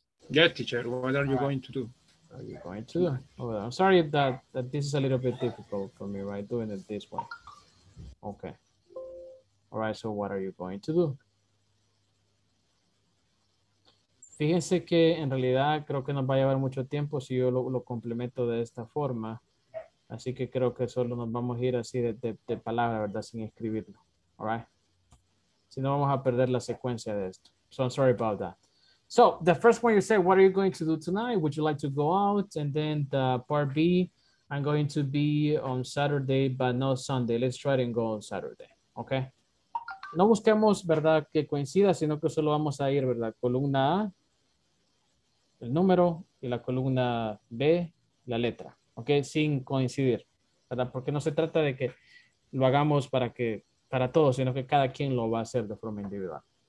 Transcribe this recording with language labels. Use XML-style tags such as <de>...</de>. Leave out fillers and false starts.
<en>Yeah, teacher, what are you going to do? Are you going to do? Well, I'm sorry that this is a little bit difficult for me, right, doing it this way. Okay. All right, so what are you going to do?</en> <es>Fíjense que en realidad creo que nos va a llevar mucho tiempo si yo lo complemento de esta forma. Así que creo que solo nos vamos a ir así de palabra, ¿verdad? Sin escribirlo.</es> <en>All right.</en> <es>Si no, vamos a perder la secuencia de esto.</es> <en>So I'm sorry about that. So the first one you said, what are you going to do tonight? Would you like to go out? And then the part B, I'm going to be on Saturday, but not Sunday. Let's try and go on Saturday. Okay.</en> <es>No busquemos, ¿verdad? Que coincida, sino que solo vamos a ir, ¿verdad? Columna A, el número, y la columna B, la letra. Okay, sin coincidir, ¿verdad? Porque no se trata de que lo hagamos para todos, sino que cada quien lo va a hacer de forma individual.</es>